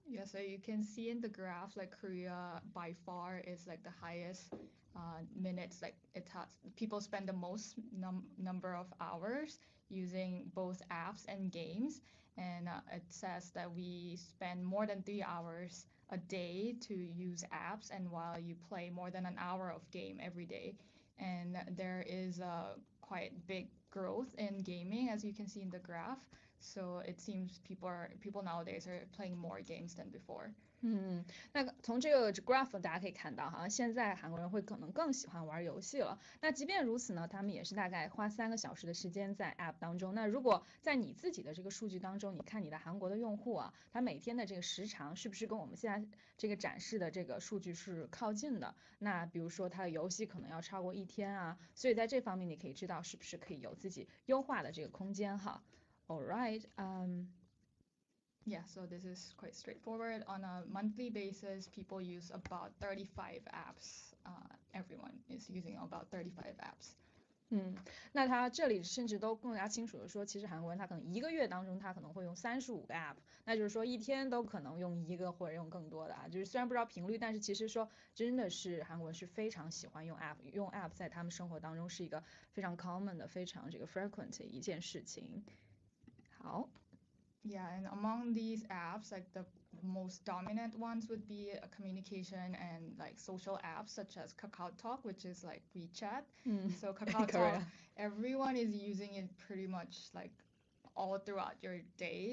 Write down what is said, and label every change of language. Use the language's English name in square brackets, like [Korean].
[English] Yeah, so you can see in the graph like Korea by far is like the highest minutes like it has people spend the most number of hours using both apps and games, and it says that we spend more than 3 hours a day to use apps, and while you play more than an hour of game every day, and there is a quite big growth in gaming as you can see in the graph. So it seems people nowadays are playing more games than before. [Chinese] 嗯，那从这个 graph 大家可以看到，好像现在韩国人会可能更喜欢玩游戏了。那即便如此呢，他们也是大概花3个小时的时间在 app 当中。那如果在你自己的这个数据当中，你看你的韩国的用户啊，他每天的这个时长是不是跟我们现在这个展示的这个数据是靠近的？那比如说他的游戏可能要超过1天啊，所以在这方面你可以知道是不是可以有自己优化的这个空间哈。 [English] All right, Yeah, so this is quite straightforward. On a monthly basis, people use about 35 apps. Everyone is using about 35 apps. [Chinese] 嗯，那他这里甚至都更加清楚的说，其实韩国人他可能1个月当中他可能会用35个 app，那就是说1天都可能用1个或者用更多的啊，就是虽然不知道频率，但是其实说真的是韩国人是非常喜欢用 app，用 app 在他们生活当中是一个非常 common 的，非常这个 frequent 的一件事情。好。 [English] Yeah, and among these apps, like the most dominant ones would be a communication and like social apps such as KakaoTalk, which is like WeChat. Mm, So in Korea. KakaoTalk, everyone is using it pretty much like all throughout your day.